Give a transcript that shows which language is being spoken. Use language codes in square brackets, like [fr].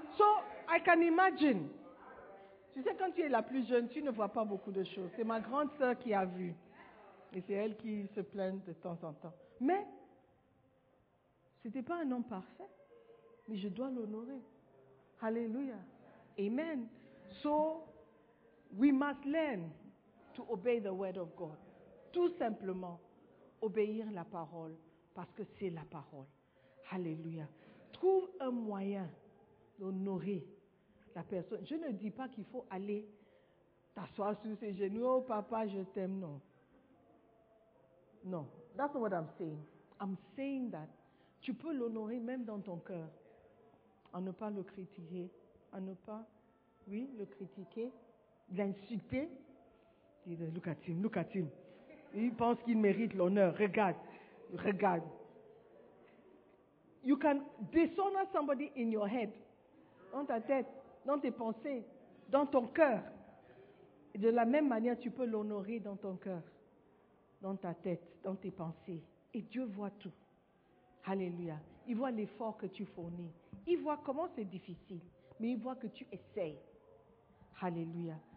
[en] So, I can imagine. [fr] Tu sais, quand tu es la plus jeune, tu ne vois pas beaucoup de choses. C'est ma grande sœur qui a vu. Et c'est elle qui se plaint de temps en temps. Mais, ce n'était pas un homme parfait. Mais je dois l'honorer. Alléluia. Amen. [en] So, we must learn to obey the word of God. [fr] Tout simplement, obéir la parole, parce que c'est la parole. Alléluia. Trouve un moyen d'honorer la personne. Je ne dis pas qu'il faut aller t'asseoir sur ses genoux. Oh papa, je t'aime. Non. Non. [en] That's not what I'm saying. I'm saying that [fr] tu peux l'honorer même dans ton cœur. En ne pas le critiquer. En ne pas, oui, le critiquer. L'insulter. [en] Look at him. [fr] Il pense qu'il mérite l'honneur. Regarde. [en] You can dishonor somebody in your head. [fr] Dans ta tête. Dans tes pensées, dans ton cœur. De la même manière, tu peux l'honorer dans ton cœur, dans ta tête, dans tes pensées. Et Dieu voit tout. Alléluia. Il voit l'effort que tu fournis. Il voit comment c'est difficile, mais il voit que tu essayes. Alléluia.